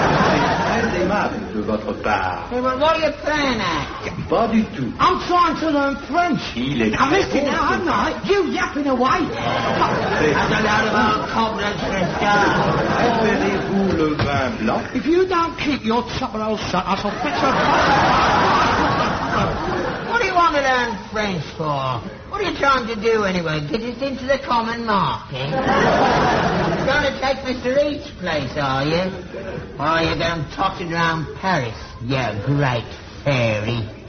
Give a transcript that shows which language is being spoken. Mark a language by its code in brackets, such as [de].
[fr] C'est très aimable de votre part. [en] Hey, well, what are you playing at? [fr] Pas du tout. [en] I'm trying to learn French. [fr] Il est... [en] I'm listening now, aren't I? You yapping away. That's a lot of old cobblers for a start. [fr] Préférez-vous le vin blanc? [en] If you don't keep your chopper all shut, I shall fetch a... What do you want to learn French for? What are you trying to do anyway? Get it into the common market? You're going to take Mr. Reed's place, are you? Oh, you're going totting around Paris, you great fairy.